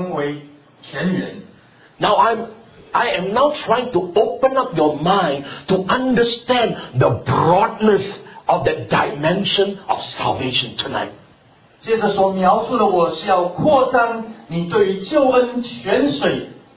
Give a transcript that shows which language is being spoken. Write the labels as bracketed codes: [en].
[zh] 可是，约翰福音所描述的是，救恩的泉水是从深处涌出来，直成为泉源。 [en] Now I am now trying to open up your mind to understand the broadness of the dimension of salvation tonight. [zh] 接着所描述的，我是要扩张你对于救恩泉水。